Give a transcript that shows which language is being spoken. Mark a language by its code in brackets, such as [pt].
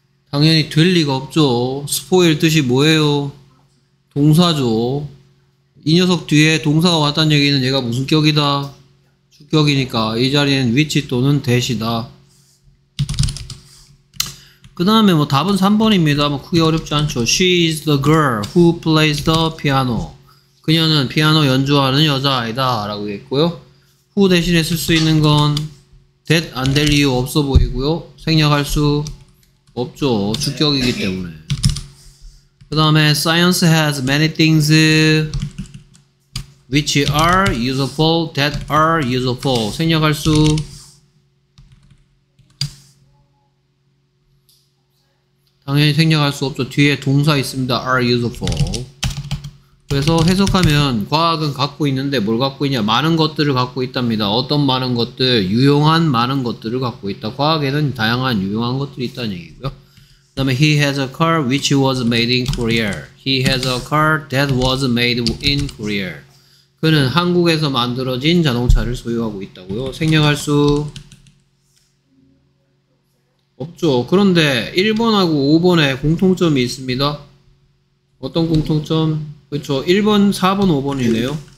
[ko] 당연히 될 리가 없죠. 스포일 뜻이 뭐예요? 동사죠. 이 녀석 뒤에 동사가 왔다는 얘기는 얘가 무슨 격이다? 주격이니까 이 자리는 위치 또는 대시다. 그 다음에 뭐 답은 3번입니다. 뭐 크게 어렵지 않죠. [en] She is the girl who plays the piano. [ko] 그녀는 피아노 연주하는 여자아이다 라고 했고요. who 대신에 쓸 수 있는 건 that 안 될 이유 없어 보이고요. 생략할 수 없죠. 주격이기 때문에. 그 다음에 [en] science has many things which are useful that are useful. [ko] 생략할 수 당연히 생략할 수 없죠. 뒤에 동사 있습니다. are useful. 그래서 해석하면 과학은 갖고 있는데 뭘 갖고 있냐? 많은 것들을 갖고 있답니다. 어떤 많은 것들? 유용한 많은 것들을 갖고 있다. 과학에는 다양한 유용한 것들이 있다는 얘기고요. 그 다음에 [en] He has a car which was made in Korea. He has a car that was made in Korea. [ko] 그는 한국에서 만들어진 자동차를 소유하고 있다고요. 생략할 수 없죠. 그런데 1번하고 5번에 공통점이 있습니다. 어떤 공통점? 그렇죠. 1번, 4번, 5번이네요.